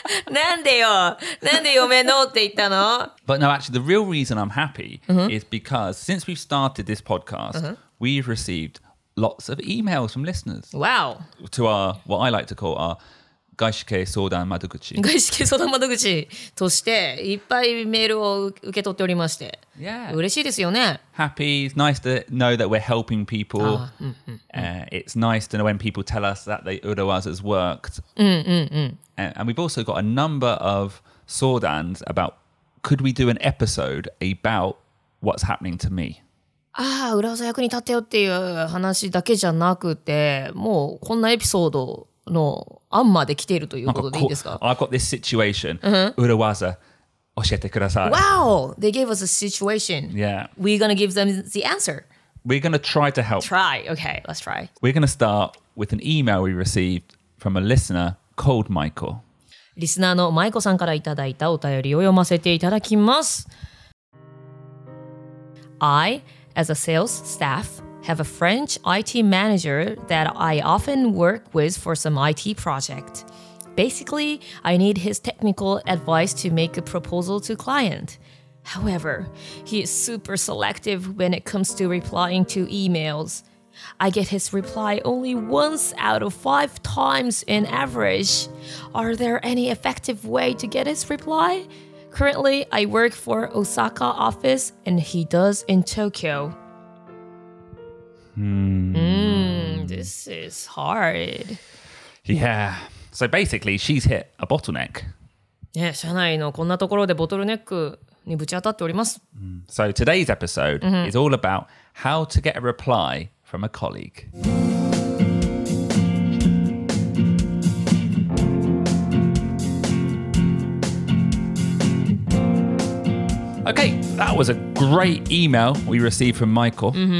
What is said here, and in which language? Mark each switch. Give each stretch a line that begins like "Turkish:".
Japanese: なんでよ、なんで嫁のって言ったの。
English: But no, actually, the real reason I'm happy、mm-hmm. is because since we've started this podcast,、mm-hmm. we've received lots of emails from listeners. Wow. To our, what I like to call our
Japanese: 外資系相談窓口。外資系相談窓口としていっぱいメールを受け取っておりまして。
English: Yeah.
Japanese: 嬉しいですよね。
English: Happy. It's nice to know that we're helping people. It's nice to know when people tell us that the Urowaza has worked. And we've also got a number of 相談 about could we do an episode about what's happening to me?
Japanese: ああ、Urowaza 役に立ったよっていう話だけじゃなくて、もうこんなエピソードの案まで来ているということでいいですか?
English: I've got this situation. Urowaza,
Japanese: 教えてください。
English: Wow! They gave us a situation. Yeah. We're going to give them the answer. We're going to try to help. Try. Okay, let's try. We're going to start with an email we received from a listener. Called Michael.
Japanese: リスナーのマイコさんからいただいたお便りを読ませていただきます。
English: I, as a sales staff, have a French IT manager that I often work with for some IT project. Basically, I need his technical advice to make a proposal to client. However, he is super selective when it comes to replying to emails. I get his reply only once out of 5 times in average. Are there any effective way to get his reply? Currently, I work for Osaka office and he does in Tokyo. This is hard. Yeah. So basically, she's hit a bottleneck.
Japanese: Yeah, 社内のこんなところでボトルネックにぶち当たっております。
English: So today's episode is all about how to get a reply. From a colleague. Okay, that was a great email we received from Michael.